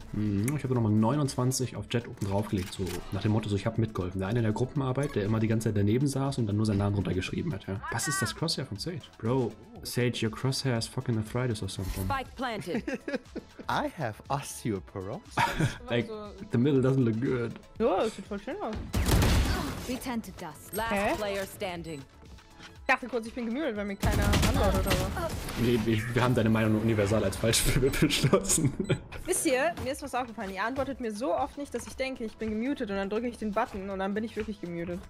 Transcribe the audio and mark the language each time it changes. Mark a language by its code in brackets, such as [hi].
[de] Ich habe nochmal 29 auf Jet oben draufgelegt, so nach dem Motto, so ich habe mitgeholfen. Der eine in der Gruppenarbeit, der immer die ganze Zeit daneben saß und dann nur seinen Namen runtergeschrieben hat. Ja. Was ist das Crosshair von Sage? [en] Bro, Sage, your crosshair is fucking arthritis or something. Spike planted. I have osteoporosis. Like, the middle doesn't look good. [de] Ja, es sieht voll schön aus. [en] We tend to dust. Last player standing. [de] Ich dachte kurz, ich bin gemüht, weil mir keiner antwortet, aber... Nee, wir haben deine Meinung universal als falsch beschlossen. Wisst ihr, mir ist was aufgefallen. Ihr antwortet mir so oft nicht, dass ich denke, ich bin gemutet und dann drücke ich den Button und dann bin ich wirklich gemutet.